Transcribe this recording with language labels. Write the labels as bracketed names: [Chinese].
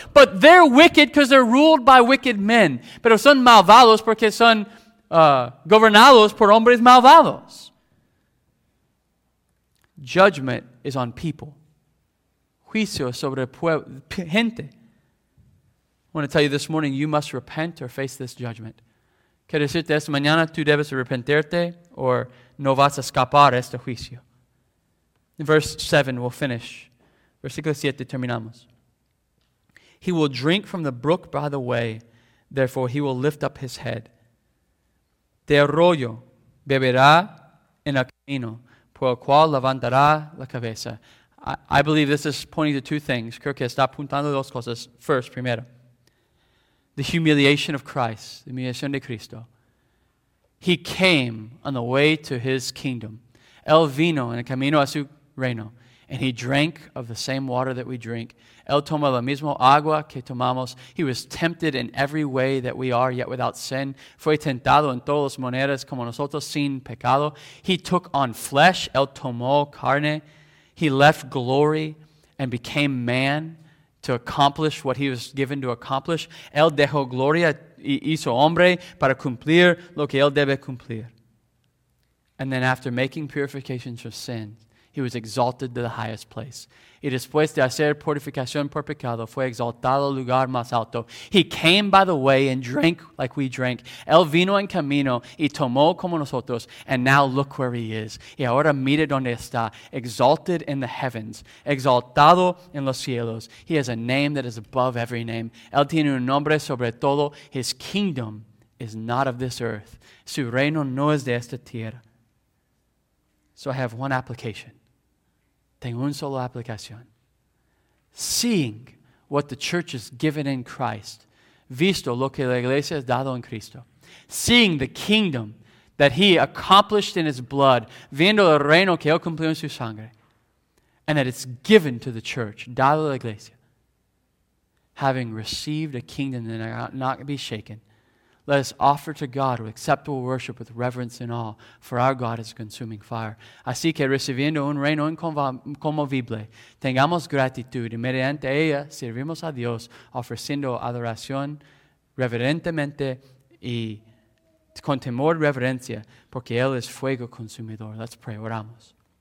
[English] But they're wicked because they're ruled by wicked men. [Spanish] Pero son malvados porque son gobernados por hombres malvados. [English] Judgment is on people. [Spanish] Juicio sobre gente. [English] I want to tell you this morning, you must repent or face this judgment. [Spanish] Quiero decirte esta mañana, tú debes arrepentirte o no vas a escapar este juicio. [English] Verse 7, we'll finish. [Spanish] Versículo 7, terminamos. [English] He will drink from the brook by the way, therefore he will lift up his head. [Spanish] De arroyo beberá en el camino, por el cual levantará la cabeza. [English] I believe this is pointing to two things. [Spanish] Creo que está apuntando dos cosas. [English] First, [Spanish] primero. [English] The humiliation of Christ, the humiliation [Spanish] de Cristo. [English] He came on the way to his kingdom. [Spanish] Él vino en el camino a su reino. [English] And he drank of the same water that we drink. [Spanish] Él tomó la misma agua que tomamos. [English] He was tempted in every way that we are, yet without sin. [Spanish] Fue tentado en todas las maneras como nosotros, sin pecado. [English] He took on flesh. [Spanish] Él tomó carne. [English] He left glory and became man. To accomplish what he was given to accomplish. [Spanish] Él dejó gloria y hizo hombre para cumplir lo que él debe cumplir. [English] And then after making purifications for sin, he was exalted to the highest place. [Spanish] Y después de hacer purificación por pecado, fue exaltado al lugar más alto. [English] He came by the way and drank like we drank. [Spanish] Él vino en camino y tomó como nosotros. [English] And now look where he is. [Spanish] Y ahora mire donde está. [English] Exalted in the heavens. [Spanish] Exaltado en los cielos. [English] He has a name that is above every name. [Spanish] Él tiene un nombre sobre todo. [English] His kingdom is not of this earth. [Spanish] Su reino no es de esta tierra. [English] So I have one application. [Spanish] Tengo una sola aplicación. [English] Seeing what the church is given in Christ, [Spanish] visto lo que la iglesia ha dado en Cristo, [English] seeing the kingdom that he accomplished in his blood, [Spanish] viendo el reino que él cumplió en su sangre, [English] and that it's given to the church, [Spanish] dado a la iglesia, [English] having received a kingdom that not be shaken, let us offer to God with acceptable worship, with reverence and awe, for our God is a consuming fire. [Spanish] Así que recibiendo un reino inconmovible, tengamos gratitud y mediante ella servimos a Dios, ofreciendo adoración reverentemente y con temor y reverencia, porque Él es fuego consumidor. [English] Let's pray. [Spanish] Oramos.